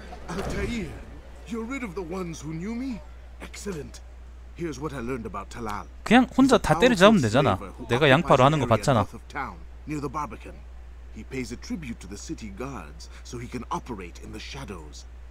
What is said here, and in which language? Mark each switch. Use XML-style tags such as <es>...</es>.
<en>Altair, you're rid of the ones who knew me. Excellent. Here's what I learned about Talal.</en> <ko>그냥 혼자 다 때려잡으면 되잖아. 내가 양파로 하는 거 봤잖아.</ko> <en>Near the Barbican, he pays a tribute to the city guards so he can operate in the shadows.</en>